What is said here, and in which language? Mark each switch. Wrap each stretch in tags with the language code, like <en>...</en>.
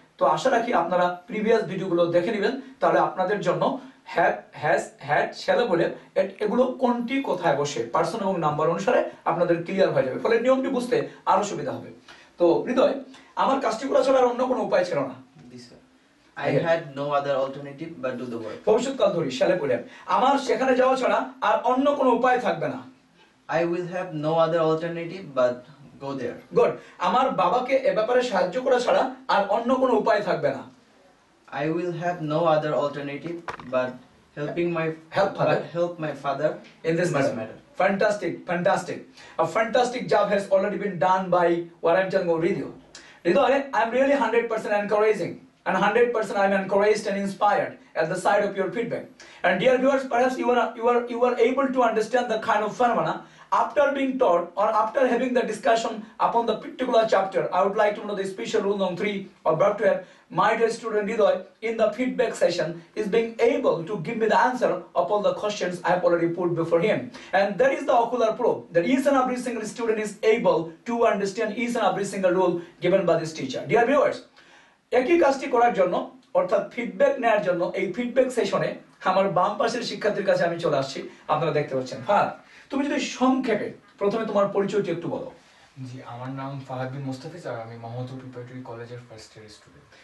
<bn>তো আশা রাখি আপনারা প্রিভিয়াস ভিডিওগুলো দেখে নেবেন, তাহলে আপনাদের জন্য হ্যাভ হ্যাজ হ্যাড শ্যাল বলে এগুলো কোনটি কোথায় বসে পার্সন এবং নাম্বার অনুসারে আপনাদের ক্লিয়ার হয়ে যাবে, ফলে নিয়মটি বুঝতে আরো সুবিধা হবে। তো হৃদয়, আমার কাজটি করা ছাড়া অন্য কোনো উপায় ছিল না।</bn> <en>I had no other alternative but do the work.</en> <bn>ভবিষ্যৎকাল ধরি শ্যালে বলে আমার সেখানে যাওয়া ছাড়া আর অন্য কোনো উপায় থাকবে না।</bn> <en>I will have no other alternative but go there. Good.</en> <bn>আমার বাবাকে এ ব্যাপারে সাহায্য করা ছাড়া আর অন্য কোনো উপায় থাকবে না।</bn> <en>I will have no other alternative but helping my help my father in this matter. Fantastic. A fantastic job has already been done by what I'm telling you, Ridho. Ridho, I am really 100% encouraging. And 100% I am encouraged and inspired at the side of your feedback. And dear viewers, perhaps you are able to understand the kind of phenomena after being taught or after having the discussion upon the particular chapter. I would like to know the special rule number 3 of Verb To Have. My dear student Hidoy, in the feedback session, is being able to give me the answer upon the questions I have already put before him. And there is the ocular proof that each and every single student is able to understand each and every single rule given by this teacher. Dear viewers,</en> <bn>একই কাজটি করার জন্য অর্থাৎ feedback নেওয়ার জন্য এই feedback সেশনে আমার বাম পাশের শিক্ষার্থীর কাছে আমি চলে আসছি। আপনারা দেখতে পাচ্ছেন ফাহাদ, তুমি যদি সংক্ষেপে প্রথমে তোমার পরিচয়টি একটু বলো। জি, আমার নাম ফাহাদ বিন মুস্তাফিজ আর আমি মোহাম্মদপুর প্রিপারেটরি কলেজের ফার্স্ট ইয়ার স্টুডেন্ট।</bn>